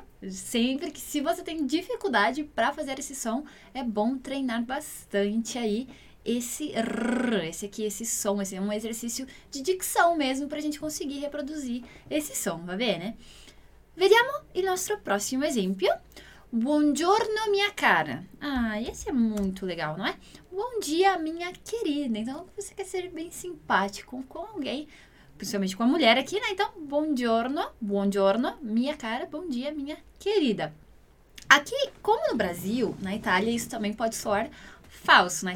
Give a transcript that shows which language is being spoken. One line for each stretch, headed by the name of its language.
Portuguese: Sempre que se você tem dificuldade para fazer esse som, é bom treinar bastante aí esse aqui, esse som, esse é um exercício de dicção mesmo para a gente conseguir reproduzir esse som,
Italian: va bene? Vediamo il nostro prossimo esempio. Buongiorno, mia cara.
Portuguese: Ah, esse é muito legal, não é? Bom dia, minha querida. Então, você quer ser bem simpático com alguém, principalmente com a mulher aqui, né? Então,
Italian: buongiorno,
Portuguese: minha cara, bom dia, minha querida. Aqui, como no Brasil, na Itália, isso também pode soar falso, né?